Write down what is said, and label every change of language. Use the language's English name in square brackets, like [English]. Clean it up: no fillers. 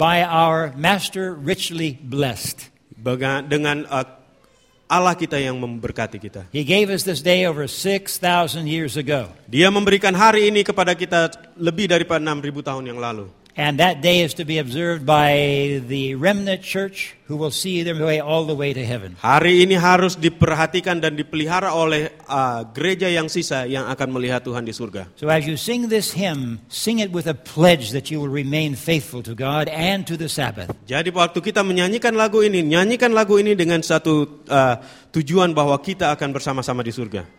[English] By our Master richly blessed. [Indonesian] Dengan Allah kita yang memberkati kita. [English] He gave us this day over 6,000 years ago. [Indonesian] Dia memberikan hari ini kepada kita lebih daripada 6,000 tahun yang lalu. [English] And that day is to be observed by the remnant church who will see their way all the way to heaven. [Indonesian] Hari ini harus diperhatikan dan dipelihara oleh gereja yang sisa yang akan melihat Tuhan di surga. [English] So as you sing this hymn, sing it with a pledge that you will remain faithful to God and to the Sabbath. [Indonesian] Jadi waktu kita menyanyikan lagu ini dengan satu tujuan bahwa kita akan bersama-sama di surga.